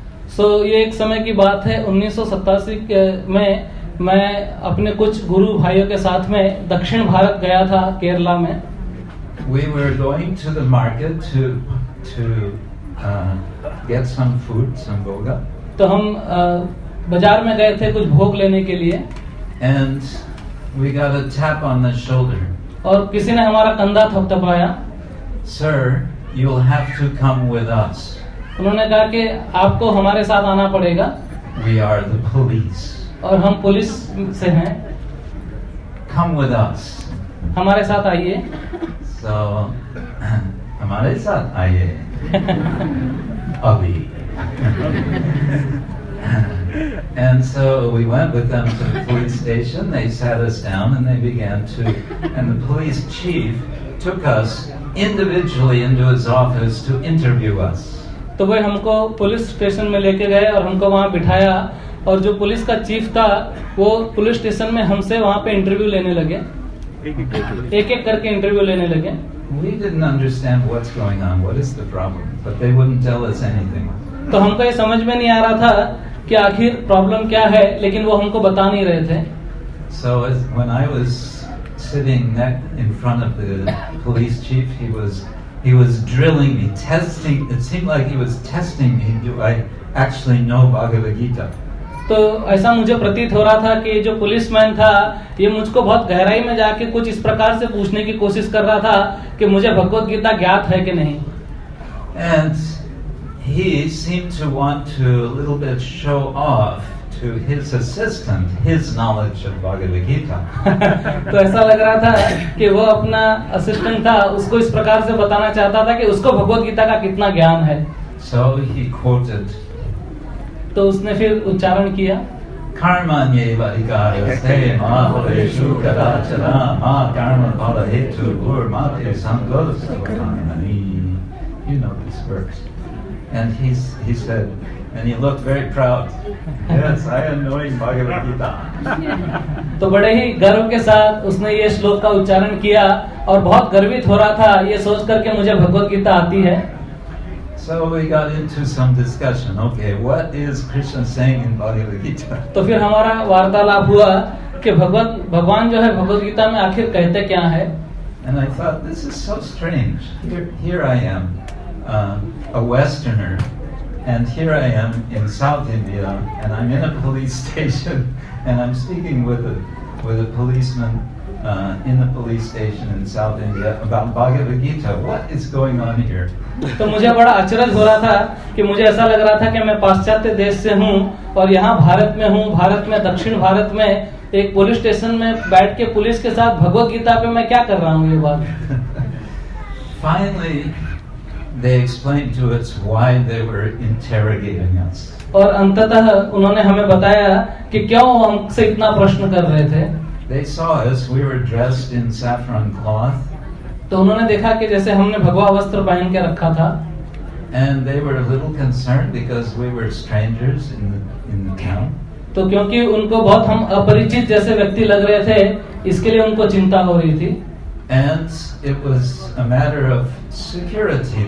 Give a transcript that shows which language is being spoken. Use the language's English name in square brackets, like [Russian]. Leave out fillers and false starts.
[English] So [Hindi] ये एक समय की बात है, 1987 में मैं अपने कुछ गुरु भाइयों के साथ में दक्षिण भारत गया था, केरला में. [English] We were going to the market to get some food, some bhoga. [Hindi] तो हम बाजार में गए थे कुछ भोग लेने के लिए. [English] And we got a tap on the shoulder. [Hindi] और किसी ने हमारा कंधा थपथपाया. [English] Sir, you'll have to come with us. [Hindi] उन्होंने कहा कि आपको हमारे साथ आना पड़ेगा. [English] We are the police. [Hindi] और हम पुलिस से हैं. [English] Come with us. [Hindi] हमारे साथ आइए. [English] So, [Hindi] हमारे साथ आइए अभी. [English] And so we went with them to the police station. They sat us down and they began to, and the police chief took us individually into his office to interview us. [Hindi] तो वे हमको police station में लेके गए और हमको वहाँ बिठाया और जो पुलिस का चीफ था वो पुलिस स्टेशन में हमसे वहाँ पे इंटरव्यू लेने लगे, एक एक करके इंटरव्यू लेने लगे. [English] We didn't understand what's going on, what is the problem, but they wouldn't tell us anything. [Hindi] तो हमको ये समझ में नहीं आ रहा था कि आखिर प्रॉब्लम क्या है, लेकिन वो हमको बता नहीं रहे थे. [English] So when I was sitting next in front of the police chief, he was drilling me, testing. It seemed like he was testing me. Do I actually know Bhagavad Gita? [Hindi] तो ऐसा मुझे प्रतीत हो रहा था कि जो पुलिसमैन था, ये मुझको बहुत गहराई में जाके कुछ इस प्रकार से पूछने की कोशिश कर रहा था कि मुझे भगवत गीता ज्ञात है कि नहीं. [English] And he seemed to want to a little bit show off to his assistant his knowledge of Bhagavad Gita. [Hindi] तो ऐसा लग रहा था कि वो अपना असिस्टेंट था, उसको इस प्रकार से बताना चाहता था कि उसको भगवत गीता का कितना ज्ञान है. [English] So he quoted. [Hindi] तो उसने फिर उच्चारण किया. [Sanskrit] कर्मण्येव अधिकारस्ते मा भवेषु कदाचन मा कर्म फल हेतु गुर्मते संगोस्तवानि. [English] You know this verse. And he said, and he looked very proud. Yes, I am knowing Bhagavad Gita. [Hindi] तो बड़े ही गर्व के साथ उसने ये श्लोक का उच्चारण किया और बहुत गर्वित हो रहा था ये सोच करके मुझे भगवत गीता आती है. [English] So we got into some discussion. Okay, what is Krishna saying in Bhagavad Gita? [Hindi] तो फिर हमारा वार्तालाप हुआ कि भगवान जो है भगवत गीता में आखिर कहते क्या है. [English] And I thought, this is so strange. Here I am. A Westerner, and here I am in South India, and I'm in a police station, and I'm speaking with a policeman in the police station in South India about Bhagavad Gita. What is going on here? [Hindi] तो मुझे बड़ा आश्चर्य हो रहा था कि मुझे ऐसा लग रहा था कि मैं पाश्चात्य देश से हूँ और यहाँ भारत में हूँ, भारत में, दक्षिण भारत में, एक पुलिस स्टेशन में बैठ के पुलिस के साथ भगवत गीता पे मैं क्या कर रहा हूँ ये बात. [English] Finally. They explained to us why they were interrogating us. [Hindi] और अंततः उन्होंने हमें बताया कि क्यों हमसे इतना प्रश्न कर रहे थे. [English] They saw us. We were dressed in saffron cloth. [Hindi] तो उन्होंने देखा कि जैसे हमने भगवा वस्त्र पहन के रखा था. [English] And they were a little concerned because we were strangers in the town. [Hindi] तो क्योंकि उनको बहुत हम अपरिचित जैसे व्यक्ति लग रहे थे, इसके लिए उनको चिंता हो रही थी. [English] And it was a matter of security.